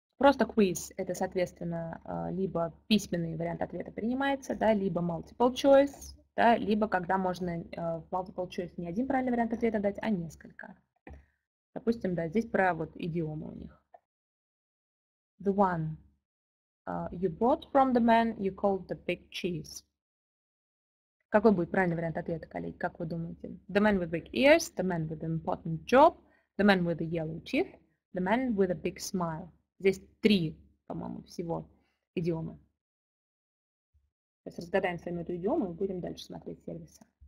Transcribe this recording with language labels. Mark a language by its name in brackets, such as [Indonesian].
[Russian] Просто quiz – это, соответственно, либо письменный вариант ответа принимается, да, либо multiple choice, да, либо когда можно в multiple choice не один правильный вариант ответа дать, а несколько. Допустим, да, здесь про вот идиомы у них. [English] The one you bought from the man you called the big cheese. [Russian] Какой будет правильный вариант ответа, коллеги, как вы думаете? [English] The man with big ears, the man with an important job, the man with the yellow teeth, the man with a big smile. [Russian] Здесь три, по-моему, всего идиомы. Сейчас разгадаем с вами эту идиому и будем дальше смотреть сервисы.